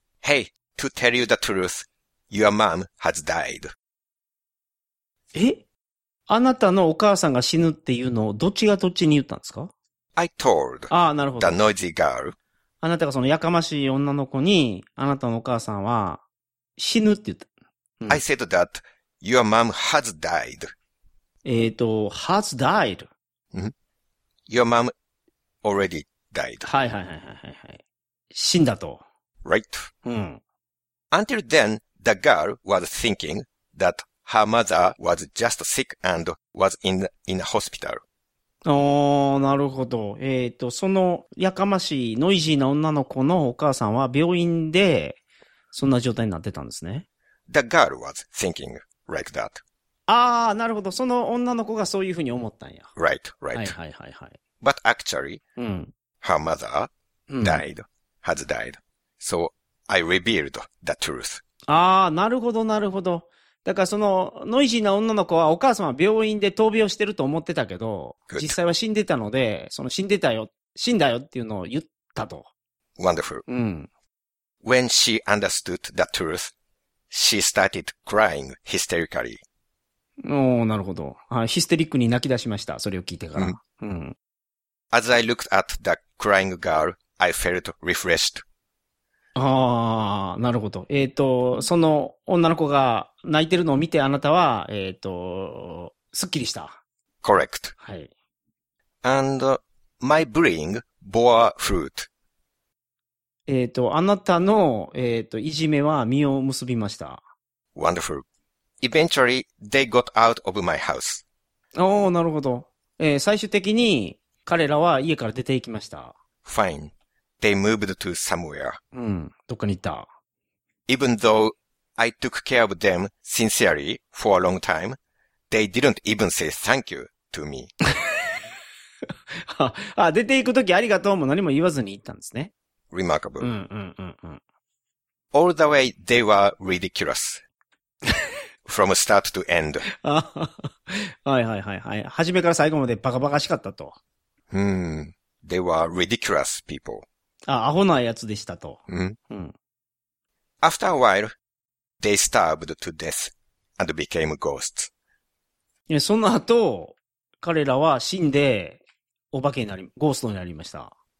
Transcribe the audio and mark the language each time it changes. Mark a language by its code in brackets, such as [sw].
[en] Hey, to tell you the truth, your mom has died. [ja] え？あなたのお母さんが死ぬっていうのをどっちがどっちに言ったんですか？ [en] I told the noisy girl. [ja] あなたがそのやかましい女の子にあなたのお母さんは死ぬって言った。 [en] うん、I said that your mom has died. has died.、うん、your momAlready died. [ja] はいはいはいはい、はい。死んだと。 [en] Right. [ja] うん。 [en] Until then, the girl was thinking that her mother was just sick and was in a hospital. [ja] おー、なるほど。そのやかましいノイジーな女の子のお母さんは病院でそんな状態になってたんですね。 [en] The girl was thinking like that. [ja] あー、なるほど。その女の子がそういうふうに思ったんや。 [en] Right, right. [ja] はいはいはいはい。 [en] But actually,、 [ja] うん、 [en] her mother died,、うん、has died. So I revealed the truth. [ja] ああ、なるほど、なるほど。だからそのノイジーな女の子はお母さんは病院で闘病してると思ってたけど、 [en] Good. [ja] 実際は死んでたので、その死んでたよ、死んだよっていうのを言ったと。 [en] Wonderful.、 [ja] うん、 [en] When she understood the truth, she started crying hysterically. [ja] おお、なるほど。ヒステリックに泣き出しました。それを聞いてから。うん。うん [en] As I looked at the crying girl, I felt refreshed. [ja] ああ、なるほど。その女の子が泣いてるのを見てあなたは、すっきりした。 [en] Correct. [ja] はい。 [en] And my brain bore fruit. [ja] あなたの、いじめは実を結びました。 [en] Wonderful. Eventually, they got out of my house. [ja] おー、なるほど。最終的に彼らは家から出て行きました。 [en] Fine. They moved to somewhere. [ja] うん、どっかに行った。 [en] Even though I took care of them sincerely for a long time, they didn't even say thank you to me. [ja] あ、出て行くときありがとうも何も言わずに行ったんですね。 [en] Remarkable. [ja] うんうんうんうん。 [en] All the way they were ridiculous. From start to end. [ja] はいはいはいはい。初めから最後までバカバカしかったと。 [en] They were ridiculous people. [ja] あ、アホなやつでしたと。うん。 [en] After a while, they starved to death and became ghosts. [ja] その後、彼らは死んで、お化けになり、ゴーストになりました。